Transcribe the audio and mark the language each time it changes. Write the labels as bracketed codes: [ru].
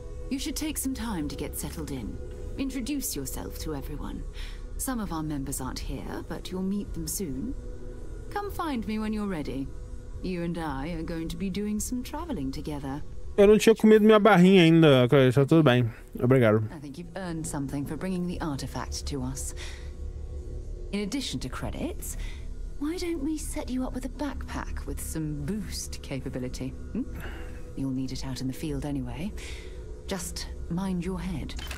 [en] You should take some time to get settled in. Introduce yourself to everyone. Some of our members aren't here, but you'll meet them soon. Come find me when you're ready. You and I are going to be doing some traveling together. [pt] Eu não tinha comido minha barrinha ainda, Clarissa. Tudo bem. Obrigado. [en] I think you've earned something for bringing the artifact to us. In addition to credits, why don't we set you up with a backpack with some boost capability? Hm? You'll need it out in the field anyway. Just mind your head.